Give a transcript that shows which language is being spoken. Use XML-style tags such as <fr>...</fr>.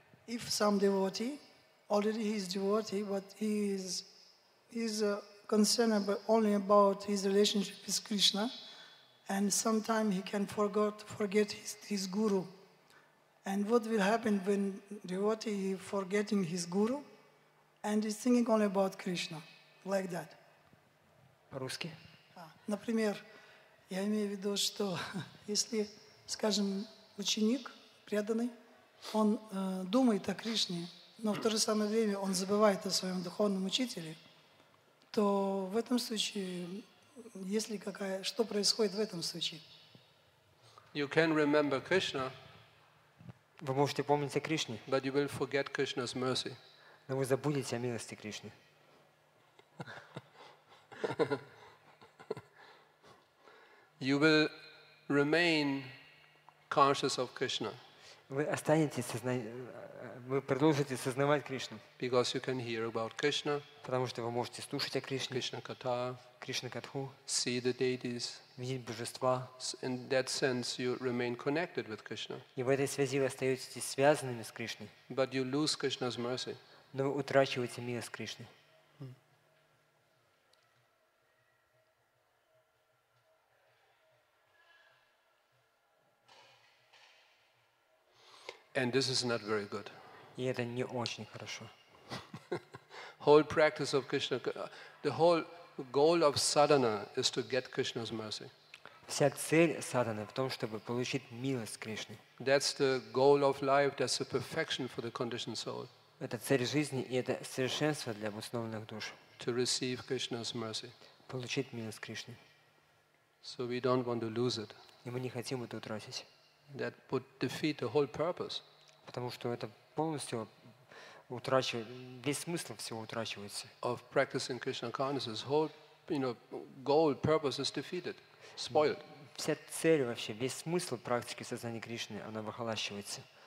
<en>If some devotee, already he is devotee, but he is concerned only about his relationship with Krishna, and sometime he can forget his guru. And what will happen when devotee is forgetting his guru and is thinking only about Krishna, like that?</en> <ru>По-русски. Например, я имею в виду, что если, скажем, ученик преданный, он думает о Кришне, но в то же самое время он забывает о своем духовном учителе, то в этом случае, если какая, что происходит в этом случае?</ru> <en>You can remember Krishna.</en> <ru>Вы можете помнить о Кришне.</ru> <en>But you will forget Krishna's mercy.</en> <ru>Но вы забудете о милости Кришны.</ru> <en>You will remain conscious of Krishna.</en> <ru>Вы останетесь вы продолжите сознавать Кришну.</ru> <en>Because you can hear about Krishna.</en> <ru>Потому что вы можете слушать о Кришне.</ru> <sa>Krishna katha.</sa> <ru>Кришна катху.</ru> <en>See the deities.</en> <ru>Видеть божества.</ru> <en>In that sense, you remain connected with Krishna.</en> <ru>И в этой связи вы остаетесь связанными с Кришной.</ru> <en>But you lose Krishna's mercy.</en> <ru>Но вы утрачиваете милость Кришны.</ru> <en>And this is not very good.</en> <ru>И это не очень хорошо.</ru> <en>Whole practice of Krishna, the whole goal of sadhana is to get Krishna's mercy.</en> <ru>Вся цель садханы в том, чтобы получить милость Кришны.</ru> <en>That's the goal of life. That's the perfection for the conditioned soul.</en> <ru>Это цель жизни и это совершенство для обоснованных душ.</ru> <en>To receive Krishna's mercy.</en> <ru>Получить милость Кришны.</ru> <en>So we don't want to lose it.</en> <ru>И мы не хотим это утратить.</ru> <en>That would defeat the whole purpose.</en> <ru>Потому что это полностью утрачивает весь смысл всего утрачивается.</ru> <en>Of practicing Krishna consciousness, whole, you know, goal, purpose is defeated, spoiled.</en> <ru>Вся цель вообще, весь смысл практики сознания Кришны, она выхолащивается.</ru>